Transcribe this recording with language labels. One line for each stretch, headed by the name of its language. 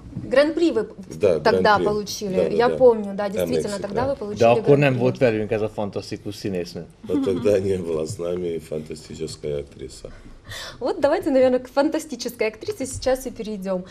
Russian: Гран-при вы тогда получили. Я помню, да, действительно, тогда вы получили.
Hungarian: Да, akkor nem volt velünk ez a fantasztikus színésznő.
Russian: Но тогда не была с нами фантастическая актриса. Вот давайте, наверное, к фантастической актрисе сейчас и перейдем.